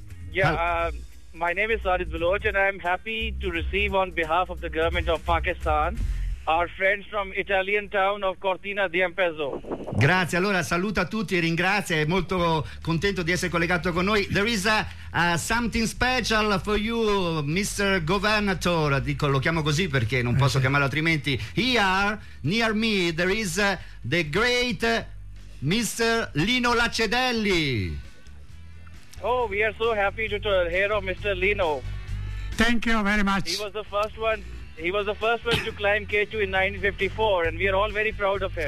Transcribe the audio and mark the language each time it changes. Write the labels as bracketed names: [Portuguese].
[English] Yeah, my name is Adit Bhuch and I'm happy to receive on behalf of the government of Pakistan our friends from Italian town of Cortina d'Ampezzo. [Italian] Grazie, allora saluta a tutti e ringrazia, è molto contento di essere collegato con noi. [English] There is something special for you, Mr. [Italian] Governator, dico, lo chiamo così perché non posso chiamarlo altrimenti. [English] Here, near me, there is the great Mr. Lino Lacedelli. Oh, we are so happy to hear of Mr. Lino. Thank you very much. He was the first one to climb K2 in 1954, and we are all very proud of him.